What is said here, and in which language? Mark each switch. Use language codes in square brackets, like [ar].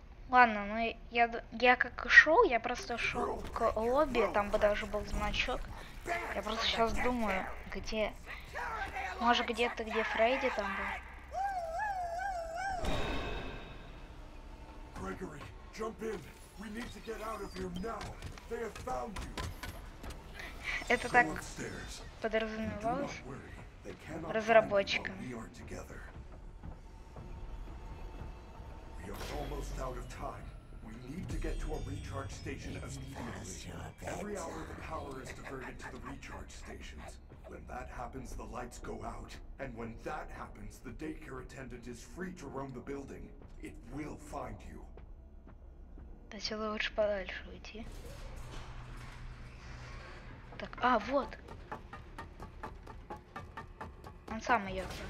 [ru] Ладно, ну я как шел, я просто шел к лобби, там бы даже был значок. Я просто сейчас думаю, где... Может где-то, где Фредди там был? [en] Грегори, jump in! We need to get out of here now! They have found you! [ru] Это так подразумевалось разработчикам. [en] We are almost out of time. We need to get to a recharge station immediately. Every hour the power is diverted to the recharge stations. When that happens, the lights go out. And when that happens, the daycare attendant is free to roam the building. It will find you. [ru] Сначала лучше подальше уйти. Так, а, вот. Он сам идет.